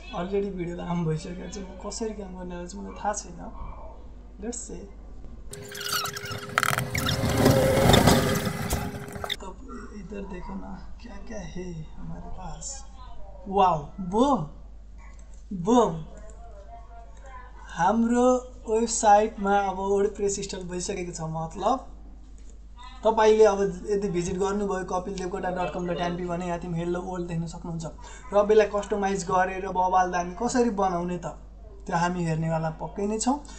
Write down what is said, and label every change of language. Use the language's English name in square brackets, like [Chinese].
[Nepali] Already video लाम भइसकेको छ, म कसरी काम गर्ने होला मलाई थाहा छैन. [Hindi] लेट्स से इधर देखो ना क्या क्या है हमारे पास. Wow boom boom. [Nepali] हाम्रो वेबसाइटमा अब वर्डप्रेस इन्स्टल भइसकेको छ. मतलब तपाईँले अब यदि भिजिट गर्नुभयो com.np भने यहाँ तिमी हेलो वर्ल्ड देख्न सक्नुहुन्छ. र अब यसलाई कस्टमाइज गरेर बवाल दामी कसरी बनाउने त त्यो हामी हेर्नेवाला पक्कै नै छौँ.